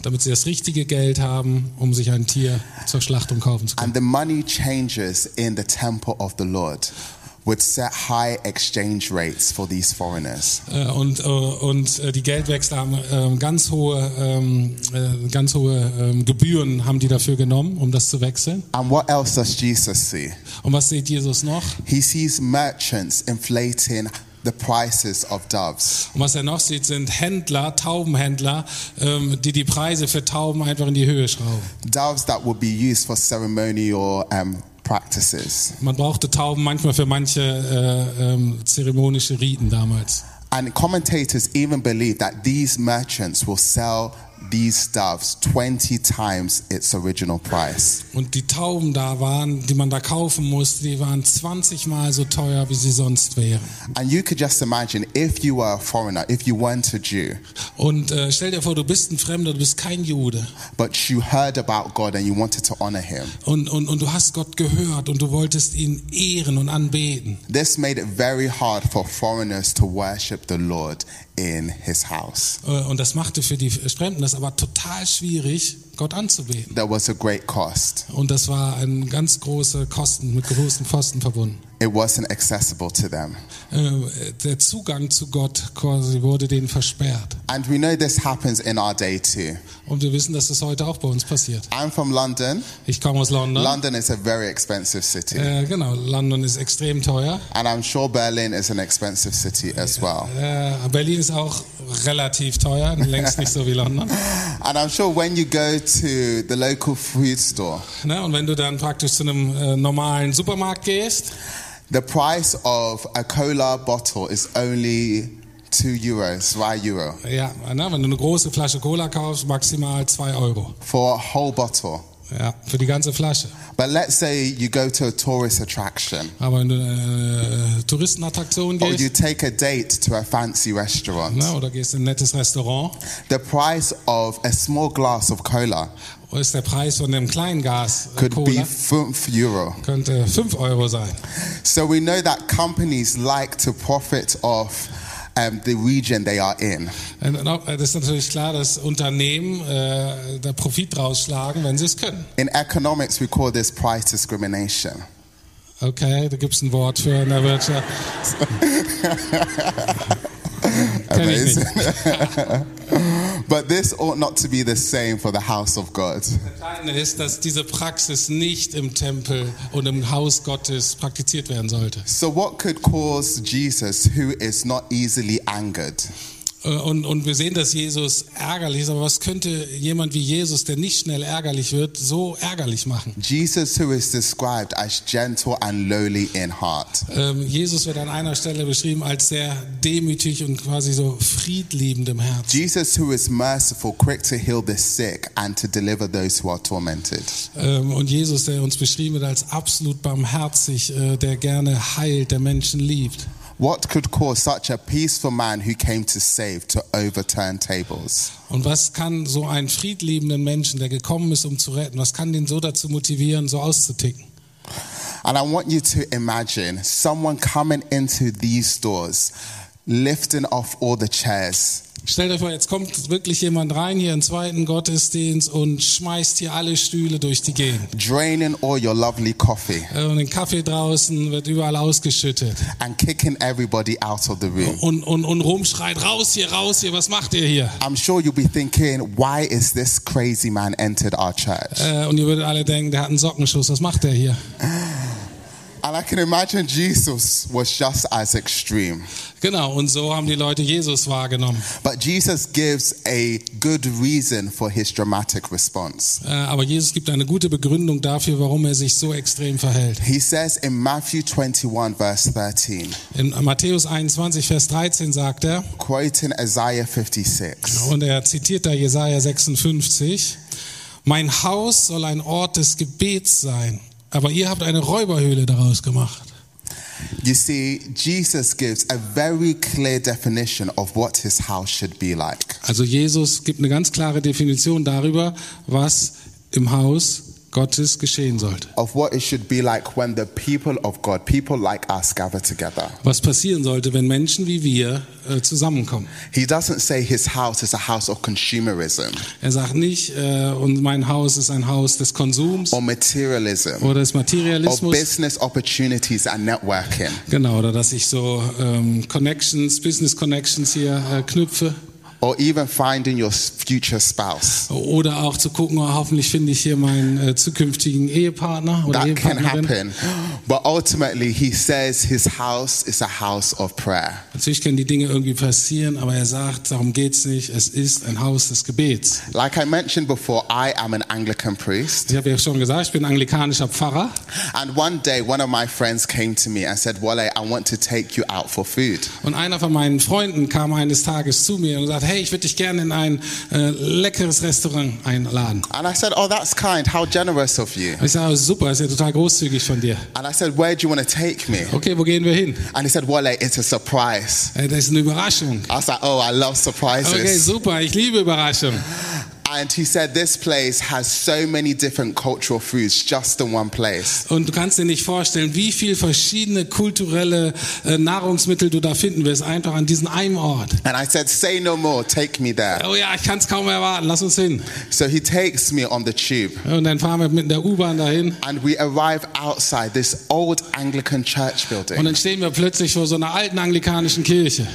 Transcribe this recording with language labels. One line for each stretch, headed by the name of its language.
German: Damit sie das richtige Geld haben, um sich ein Tier zu Schlachtung kaufen zu können.
English: And the money changers in the temple of the Lord would set high exchange rates for these foreigners.
German: Die Geldwechsler haben ganz hohe Gebühren haben die dafür genommen, um das zu wechseln.
English: And what else does Jesus see?
German: Und was sieht Jesus noch?
English: He sees merchants inflating the prices of doves.
German: Und was er noch sieht, sind Händler, Taubenhändler, die Preise für Tauben einfach in die Höhe schrauben.
English: Doves that would be used for ceremonial practices.
German: Man brauchte Tauben manchmal für manche zeremonische Riten damals.
English: And commentators even believe that these merchants will sell these doves 20 times its original price.
German: Und die Tauben da waren, die man da kaufen musste, die waren 20 mal so teuer, wie sie sonst wären.
English: And you could just imagine if you were a foreigner, if you weren't a Jew.
German: Und stell dir vor, du bist ein Fremder, du bist kein Jude.
English: But you heard about God and you wanted to honor him.
German: Und du hast Gott gehört und du wolltest ihn ehren und anbeten.
English: This made it very hard for foreigners to worship the Lord in his house.
German: Und das machte für die Fremden das aber total schwierig, Gott anzubeten.
English: That was a great cost.
German: Und das war ein ganz große Kosten, mit großen Kosten verbunden.
English: It wasn't accessible to them.
German: Der Zugang zu Gott quasi wurde denen versperrt.
English: And we know this happens in our day too.
German: Und wir wissen, dass das heute auch bei uns passiert.
English: I'm from London.
German: Ich komme aus London.
English: London is a very expensive city.
German: Genau, London ist extrem teuer.
English: And I'm sure Berlin is an expensive city as well.
German: Berlin ist auch relativ teuer, längst nicht so wie London.
English: And I'm sure when you go to the local food store.
German: Na, und wenn du dann praktisch zu einem normalen Supermarkt gehst,
English: the price of a cola bottle is only 2 euro, 2 euro.
German: Ja, na, wenn du eine große Flasche Cola kaufst, maximal 2 euro.
English: For a whole bottle.
German: Ja, für die ganze Flasche.
English: But let's say you go to a tourist attraction.
German: Aber wenn du Touristenattraktion gehst.
English: Or you take a date to a fancy restaurant.
German: Na, oder gehst in ein nettes Restaurant.
English: The price of a small glass of cola.
German: Ist der Preis von dem kleinen Glas
English: could
German: Cola,
English: be 5 euro.
German: Könnte 5 Euro sein.
English: So we know that companies like to profit off the region they are in.
German: Es ist natürlich klar, dass Unternehmen da Profit rausschlagen, wenn sie es können.
English: In economics we call this price discrimination.
German: Okay, da gibt's ein Wort für in der Wirtschaft.
English: Amazing. But this ought not to be the same for the house of God.
German: Ist, dass diese Praxis nicht im Tempel und im Haus Gottes praktiziert werden sollte.
English: So what could cause Jesus, who is not easily angered?
German: Und wir sehen, dass Jesus ärgerlich ist, aber was könnte jemand wie Jesus, der nicht schnell ärgerlich wird, so ärgerlich machen?
English: Jesus, who is described as gentle and lowly in heart.
German: Jesus wird an einer Stelle beschrieben als sehr demütig und quasi so friedliebend im Herzen.
English: Jesus, who is merciful, quick to heal the sick and to deliver those who are tormented.
German: Und Jesus, der uns beschrieben wird als absolut barmherzig, der gerne heilt, der Menschen liebt.
English: What could cause such a peaceful man who came to save to overturn tables?
German: Und was kann so einen friedliebenden Menschen, der gekommen ist, um zu retten, was kann den so dazu motivieren, so auszuticken?
English: And I want you to imagine someone coming into these doors, lifting off all the chairs.
German: Stell dir vor, jetzt kommt wirklich jemand rein hier im zweiten Gottesdienst und schmeißt hier alle Stühle durch die Gegend.
English: Draining all your lovely coffee.
German: Und den Kaffee draußen wird überall ausgeschüttet.
English: And kicking everybody out of the room.
German: Und rumschreit, raus hier, was macht ihr hier?
English: I'm sure you'll be thinking, why is this crazy man entered our church?
German: Und ihr würdet alle denken, der hat einen Sockenschuss, was macht der hier?
English: And I can imagine Jesus was just as extreme.
German: Genau, und so haben die Leute Jesus wahrgenommen.
English: But Jesus gives a good reason for his dramatic response.
German: Aber Jesus gibt eine gute Begründung dafür, warum er sich so extrem verhält.
English: He says in Matthew 21 verse 13.
German: In Matthäus 21 Vers 13 sagt er.
English: Quoting Isaiah 56.
German: Und er zitiert da Jesaja 56. Mein Haus soll ein Ort des Gebets sein. Aber ihr habt eine Räuberhöhle daraus gemacht.
English: You see, Jesus gives a very clear definition of what his house should be like.
German: Also Jesus gibt eine ganz klare Definition darüber, was im Haus Gottes geschehen sollte.
English: Of what it should be like when the people of God, people like us, gather together.
German: Was passieren sollte, wenn Menschen wie wir zusammenkommen?
English: He doesn't say his house is a house of consumerism.
German: Er sagt nicht, und mein Haus ist ein Haus des Konsums.
English: Or materialism.
German: Oder des Materialismus.
English: Or business opportunities and networking.
German: Genau, oder dass ich so Connections, Business Connections hier knüpfe.
English: Or even finding your future spouse.
German: Oder auch zu gucken, oh, hoffentlich finde ich hier meinen zukünftigen Ehepartner oder
English: that
German: Ehepartnerin.
English: That can happen. But ultimately he says his house is a house of prayer.
German: Natürlich können die Dinge irgendwie passieren, aber er sagt, darum geht's nicht, es ist ein Haus des Gebets.
English: Like I mentioned before, I am an Anglican priest.
German: Ich habe ja schon gesagt, ich bin anglikanischer Pfarrer.
English: And one day one of my friends came to me and said, Wale, I want to take you out for food.
German: Und einer von meinen Freunden kam eines Tages zu mir und sagte, hey, ich würde dich gerne in ein leckeres Restaurant einladen.
English: And I said, oh, that's kind. How generous of you.
German: Ich sagte, super, ist ja total großzügig von dir.
English: And I said, where do you want to take me?
German: Okay, wo gehen wir hin?
English: And he said, Wale, it's a surprise.
German: Das ist eine Überraschung.
English: I said, oh, I love surprises.
German: Okay, super, ich liebe Überraschungen.
English: And he said, this place has so many different cultural foods just in one place.
German: Und du kannst dir nicht vorstellen, wie viel verschiedene kulturelle Nahrungsmittel du da finden wirst, einfach an diesem einen Ort.
English: And I said, say no more, take me there.
German: Oh ja, ich kann es kaum mehr erwarten, lass uns hin.
English: So he takes me on the tube.
German: Und dann fahren wir mit der U-Bahn dahin.
English: And we arrive outside this old Anglican church building.
German: Und dann stehen wir plötzlich vor so einer alten anglikanischen Kirche.